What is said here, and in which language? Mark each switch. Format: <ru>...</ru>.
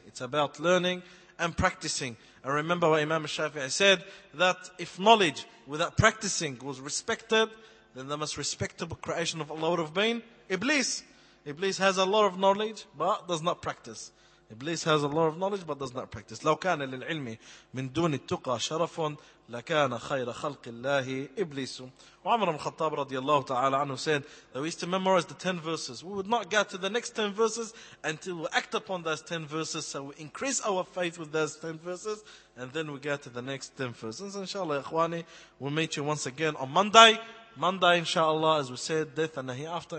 <en>It's about learning and practicing. And remember what Imam Shafi'i said, that if knowledge without practicing was respected, then the most respectable creation of Allah would have been Iblis. Iblis has a lot of knowledge, but does not practice. Iblis has a lot of knowledge but does not practice.</en> <ar>لو كان للعلم من دون التقى شرف لكان خير خلق الله إبليس. وعمر بن الخطاب رضي الله تعالى عنه</ar> <en>said that we used to memorize the 10 verses. We would not go to the next 10 verses until we act upon those 10 verses. So we increase our faith with those 10 verses and then we go to the next 10 verses. So inshallah, ikhwani, we'll meet you once again on Monday. Monday, inshallah, as we said, death and the hereafter.</en>